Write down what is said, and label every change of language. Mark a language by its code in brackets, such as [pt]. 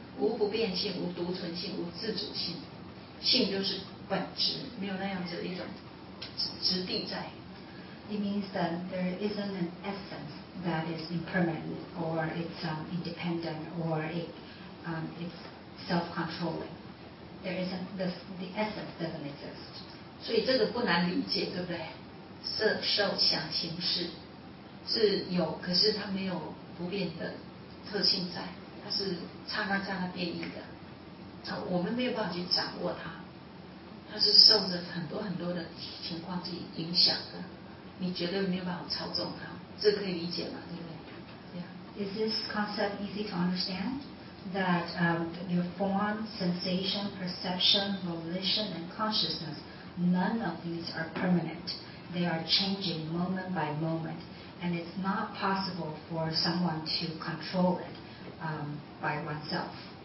[zh] 无不变性，无独存性，无自主性。性就是本质，没有那样子的一种质地在。 [en] It means that there isn't an essence that is impermanent, or it's independent, or it's self-controlling. There isn't, the essence doesn't exist. [zh] 所以这个不难理解，对不对？色、受、想、行、识。是有，可是它没有不变的特性在，它是刹那刹那变异的，我们没有办法去掌握它，它是受着很多很多的情况去影响的，你绝对没有办法操纵它，这可以理解吗？对不对？ [en] Yeah. Is this concept easy to understand? That your form, sensation, perception, volition, and consciousness, none of these are permanent. They are changing moment by moment. And it's not possible for someone to control it by oneself.